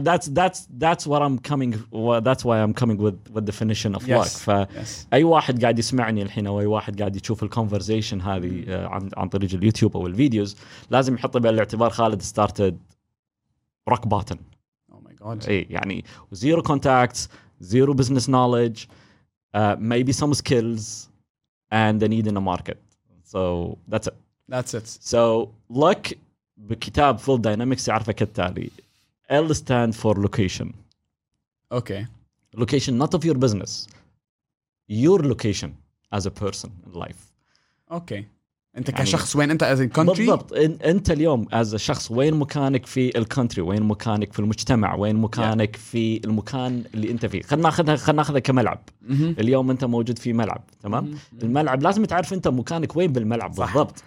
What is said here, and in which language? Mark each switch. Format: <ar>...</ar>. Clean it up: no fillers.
<en>ماكو that's what I'm coming that's why I'm coming with definition of yes. luck</en> <ar>فأي yes. واحد قاعد يسمعني الحين أو أي واحد قاعد يشوف الconversation هذه عن طريق اليوتيوب أو الفيديوز لازم يحط بالاعتبار خالد</ar> <en>started rock bottom oh my god إيه يعني zero contacts zero business knowledge maybe some skills and the need in the market so that's it so luck بكتاب Full Dynamics</en> <ar>يعرفه كالتالي</ar> <en>L stand for location okay location not of your business your location as a person in life</en> <ar>okay انت يعني كشخص وين انت</ar> <en>as a country</en> <ar>بالضبط انت اليوم as a شخص وين مكانك في الكونتري وين مكانك في المجتمع وين مكانك yeah. في المكان اللي انت فيه خلنا ناخذها كملعب mm-hmm. اليوم انت موجود في ملعب تمام mm-hmm. الملعب لازم تعرف انت مكانك وين بالملعب صح. بالضبط</ar>